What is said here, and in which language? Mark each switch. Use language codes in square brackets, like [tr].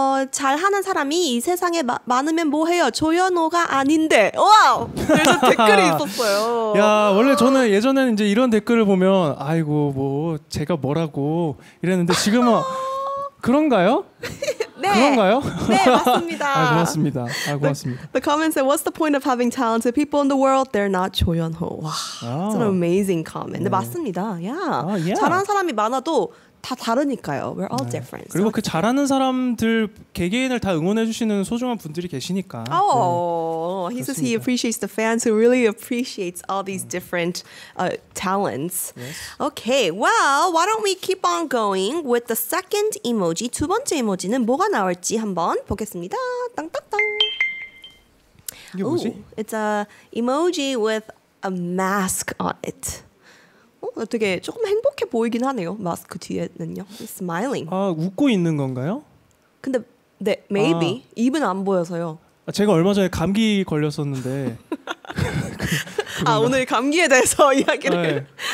[ko] 잘하는 사람이 이 세상에 많으면 뭐해요? 조연호가 아닌데. 와우! 그래서 댓글이 있었어요. 야, 원래 저는 예전에는 이제 이런 댓글을 보면 아이고 뭐 제가 뭐라고 이랬는데 지금은 그런가요? 네. 그런가요? 네, 맞습니다. 아, 고맙습니다. 아, 고맙습니다. [en] The comment said, "What's the point of having talented people in the world? They're not 조연호." 와, it's an amazing comment. 네. [ko] 네, 맞습니다. [en] Yeah. Oh, yeah. [ko] 잘하는 사람이 많아도 다 다르니까요. [en] We're all 네. different. [ko] 그리고 so, 그 잘하는 사람들 개개인을 다 응원해 주시는 소중한 분들이 계시니까. Oh, 네. he 그렇습니다. [en] says he appreciates the fans who really appreciates all these different talents. Yes. Okay, well, why don't we keep on going with the second emoji? [ko] 두 번째 이모지는 뭐가 나올지 한번 보겠습니다. 땅땅땅. 이게 뭐지? [en] Ooh, it's a emoji with a mask on it. [ko] 되게 조금 행복해 보이긴 하네요. 마스크 뒤에는요. [en] Smiling. [ko] 아, 웃고 있는 건가요? 근데 네, maybe 아. 입은 안 보여서요. 아, 제가 얼마 전에 감기 걸렸었는데. 아, 오늘 감기에 대해서 이야기를. 네.